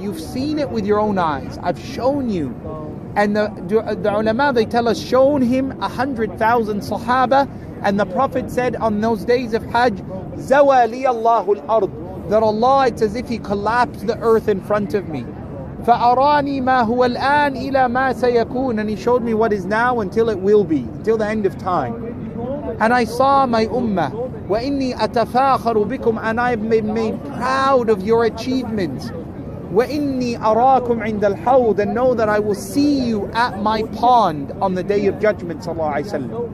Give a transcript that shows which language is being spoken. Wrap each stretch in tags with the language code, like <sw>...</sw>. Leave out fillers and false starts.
<en>You've seen it with your own eyes. I've shown you. And the ulama, they tell us, shown him 100,000 sahaba. And the Prophet said on those days of Hajj,</en> <ar>زوالي الله الأرض,</ar> <en>that Allah, it's as if He collapsed the earth in front of me.</en> <ar>فأراني ما هو الآن إلى ما سيكون.</ar> <en>And He showed me what is now until it will be, until the end of time. And I saw my ummah,</en> <ar>وإني أتفاخر بكم,</ar> <en>and I've been made proud of your achievements.</en> <ar>وإني أراكم عند الحوض,</ar> <en>and know that I will see you at my pond on the day of judgment, صلى الله عليه وسلم.</en>